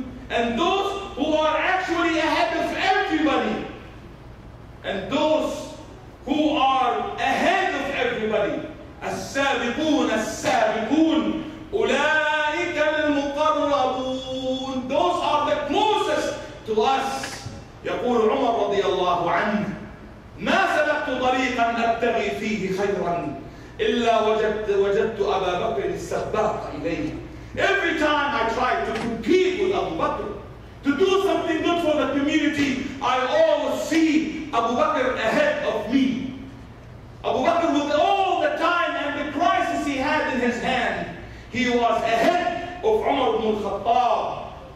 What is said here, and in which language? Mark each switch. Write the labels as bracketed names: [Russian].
[English] And those who are actually ahead of everybody. And those who are ahead of everybody. [Arabic] السَّابِقُونَ السَّابِقُونَ. أُولَٰئِكَ الْمُقَرَّبُونَ. [English] Those are the closest to us. [Arabic] يقول عمر رضي الله عنه, ما سلكت طريقا أبتغي فيه خيرا إلا وجدت أبا بكر السباق إليه. [English] Every time I try to compete with Abu Bakr, to do something good for the community, I always see Abu Bakr ahead of me. Abu Bakr, with all the time and the crisis he had in his hand, he was ahead of Umar ibn al-Khattab.